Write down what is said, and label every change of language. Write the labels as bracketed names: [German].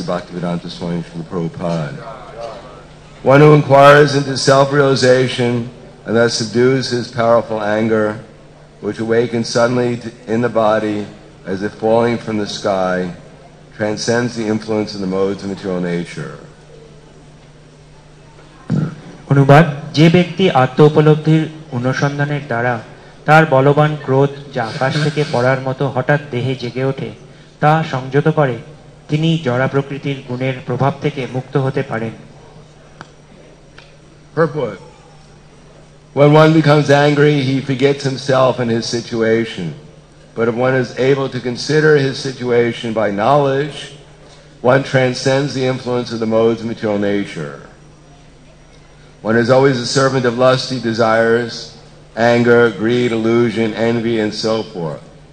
[English] Bhaktivedanta Swami from the Prabhupada. One who inquires into self-realization and thus subdues his powerful anger, which awakens suddenly in the body as if falling from the sky, transcends the influence of the modes of material nature. [Bangla] অনুবাদ যে ব্যক্তি আত্মউপলব্ধির অনুসন্ধানের দ্বারা তার বলবান ক্রোধ যা আকাশ থেকে পড়ার মতো হঠাৎ দেহে জেগে ওঠে তা সংযত করে তিনি জড়া প্রকৃতির গুণের প্রভাব থেকে মুক্ত হতে পারেন [English] Purport. When one becomes angry, he forgets himself and his situation. But if one is able to consider his situation by knowledge, one transcends the influence of the modes of material nature. One is always a servant of lusty desires, anger, greed, illusion, envy, and so forth.